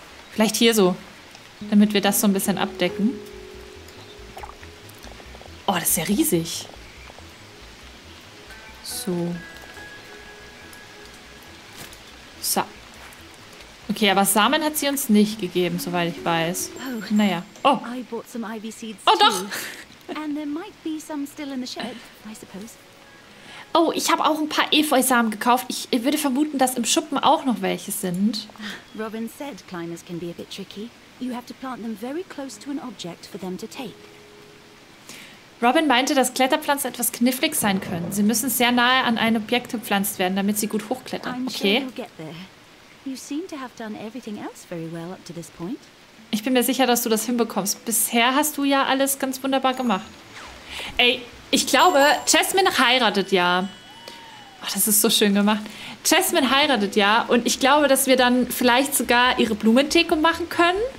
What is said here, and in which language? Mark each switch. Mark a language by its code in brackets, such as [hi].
[de] Vielleicht hier so, damit wir das so ein bisschen abdecken. Oh, das ist ja riesig. So. So. Okay, aber Samen hat sie uns nicht gegeben, soweit ich weiß. Naja. Oh. [en] I bought some ivy seeds. [de] Oh, doch. [en] And there might be some still in the shed, I suppose. [de] Oh, ich habe auch ein paar Efeusamen gekauft. Ich würde vermuten, dass im Schuppen auch noch welche sind. [en] Robin said climbers can be a bit tricky. You have to plant them very close to an object for them to take. [de] Robin meinte, dass Kletterpflanzen etwas knifflig sein können. Sie müssen sehr nahe an ein Objekt gepflanzt werden, damit sie gut hochklettern. Okay. [en] You seem to have done everything else very well up to this point. [de] Ich bin mir sicher, dass du das hinbekommst. Bisher hast du ja alles ganz wunderbar gemacht. Ey, ich glaube, Jasmine heiratet ja. Oh, das ist so schön gemacht. Jasmine heiratet ja und ich glaube, dass wir dann vielleicht sogar ihre Blumentheke machen können.